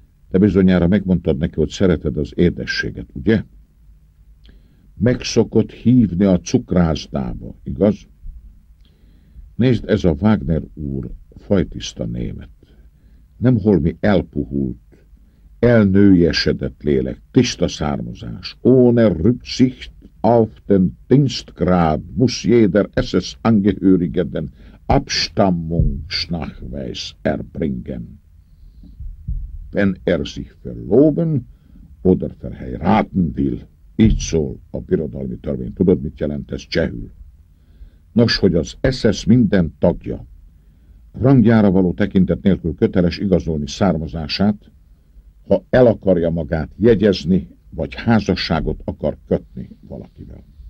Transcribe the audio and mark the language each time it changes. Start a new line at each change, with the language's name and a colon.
Hungarian: Te bizonyára megmondtad neki, hogy szereted az édességet, ugye? Megszokott hívni a cukrászdába, igaz? Nézd, ez a Wagner úr fajtiszta német. Nem holmi elpuhult, elnőjesedett lélek, tiszta származás.
German: Ohne Rücksicht auf den Dienstgrad muss jeder SS angehörigen Abstammungsnachweis erbringen. Wenn sich verloben oder verheiraten will.
Hungarian: Így szól a birodalmi törvény. Tudod, mit jelent ez csehül? Nos, hogy az SS minden tagja rangjára való tekintet nélkül köteles igazolni származását, ha el akarja magát jegyezni, vagy házasságot akar kötni valakivel.